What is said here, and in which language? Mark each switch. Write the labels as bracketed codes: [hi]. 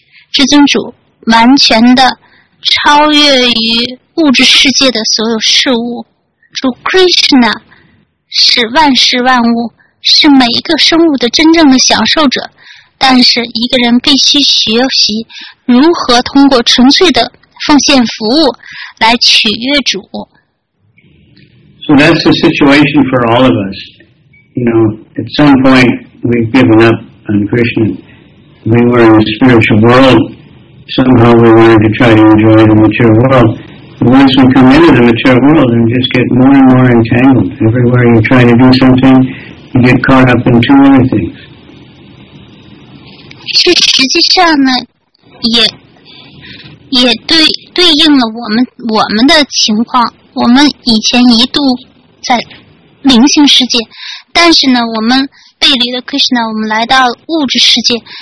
[zh] 至尊主完全的超越于物质世界的所有事物，主 Krishna 是万事万物，是每一个生物的真正的享受者，但是一个人必须学习如何通过纯粹的奉献服务来取悦主。 [en] So that's the situation for all of us. You know, at some point we've given up on Krishna. We were in the spiritual world. Somehow we wanted to try to enjoy the mature world. But once we come into the mature world and just get more and more entangled, everywhere you try to do something, you get caught up in two other things. [zh] 是实际上呢，也对应了我们的情况。我们以前一度在灵性世界，但是呢，我们背离了 Krishna， 我们来到物质世界。